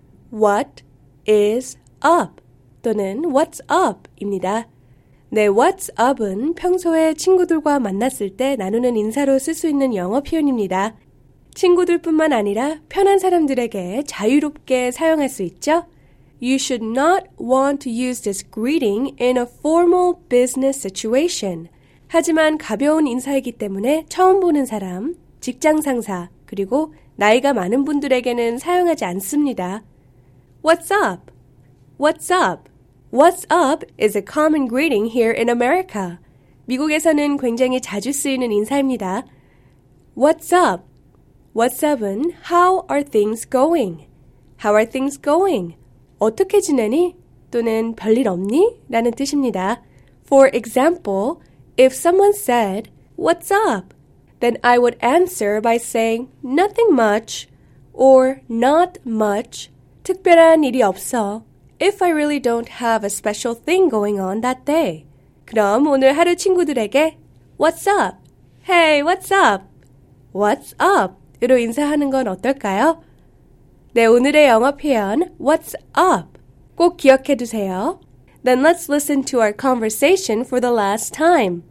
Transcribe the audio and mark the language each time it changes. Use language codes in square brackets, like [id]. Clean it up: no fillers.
[en] What is up? [ko] 또는 [en] What's up? 입니다. [ko] 네, what's up은 평소에 친구들과 만났을 때 나누는 인사로 쓸 수 있는 영어 표현입니다. 친구들뿐만 아니라 편한 사람들에게 자유롭게 사용할 수 있죠. [en] You should not want to use this greeting in a formal business situation. [ko] 하지만 가벼운 인사이기 때문에 처음 보는 사람, 직장 상사, 그리고 나이가 많은 분들에게는 사용하지 않습니다. [en] What's up? What's up? What's up is a common greeting here in America. [ko] 미국에서는 굉장히 자주 쓰이는 인사입니다. [en] What's up? What's up은 How are things going? How are things going? [ko] 어떻게 지내니? 또는 별일 없니? 라는 뜻입니다. [en] For example, if someone said, What's up? Then I would answer by saying, Nothing much or not much. [ko] 특별한 일이 없어. [en] If I really don't have a special thing going on that day. [ko] 그럼 오늘 하루 친구들에게 [en] What's up? Hey, what's up? What's up? [ko] 으로 인사하는 건 어떨까요? 네, 오늘의 영어 표현 What's up? 꼭 기억해 두세요. [en] Then let's listen to our conversation for the last time.